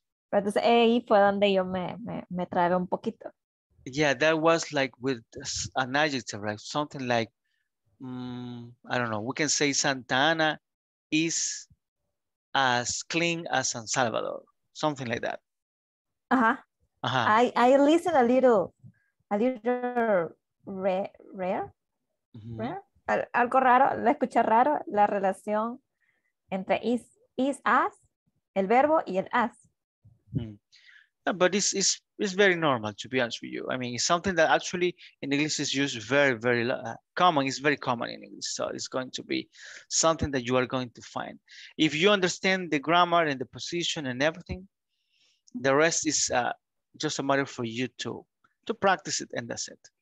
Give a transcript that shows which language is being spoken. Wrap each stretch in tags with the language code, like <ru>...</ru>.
<es>Pero entonces ahí fue donde yo me trabé un poquito.</es> <en>Yeah, that was like with an adjective, right? Something like, I don't know, we can say Santa Ana is as clean as San Salvador, something like that. Uh-huh. I listened a little rare. Mm-hmm. Rare?</en> <es>Algo raro, la escuché raro, la relación entre is as, el verbo y el as. Mm.</es> <en>Yeah, but it's very normal, to be honest with you. I mean, it's something that actually in English is used very, very common. It's very common in English. So it's going to be something that you are going to find. If you understand the grammar and the position and everything, the rest is just a matter for you to practice it, and that's it.</en>